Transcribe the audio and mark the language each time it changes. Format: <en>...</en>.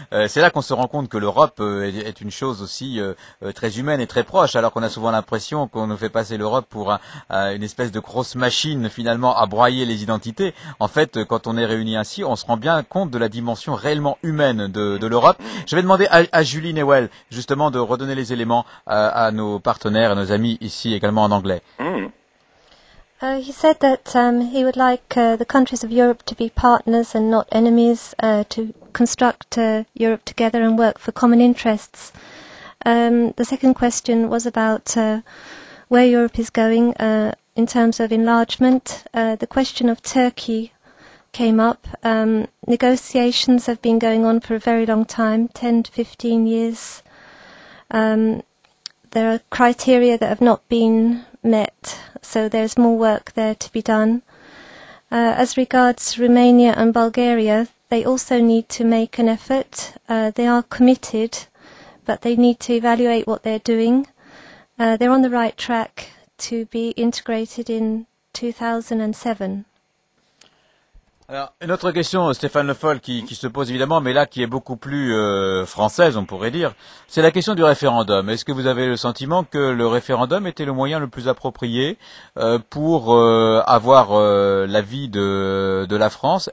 <fr>C'est là qu'on se rend compte que l'Europe est une chose aussi très humaine et très proche, alors qu'on a souvent l'impression qu'on nous fait passer l'Europe pour une espèce de grosse machine finalement à broyer les identités. En fait, quand on est réunis ainsi, on se rend bien compte de la dimension réellement humaine de l'Europe. Je vais demander à Julie Newell justement de redonner les éléments à nos partenaires, à nos amis ici également en anglais.</fr> <en>He said that he would like the countries of Europe to be partners and not enemies, to construct Europe together and work for common interests. The second question was about where Europe is going in terms of enlargement. The question of Turkey came up. Negotiations have been going on for a very long time, 10 to 15 years. There are criteria that have not been met, so there's more work there to be done. As regards Romania and Bulgaria, they also need to make an effort. They are committed, but they need to evaluate what they're doing. They're on the right track to be integrated in 2007.</en> <fr>Alors, une autre question, Stéphane Le Foll, qui se pose évidemment, mais là, qui est beaucoup plus française, on pourrait dire, c'est la question du référendum. Est-ce que vous avez le sentiment que le référendum était le moyen le plus approprié pour avoir l'avis de la France?</fr>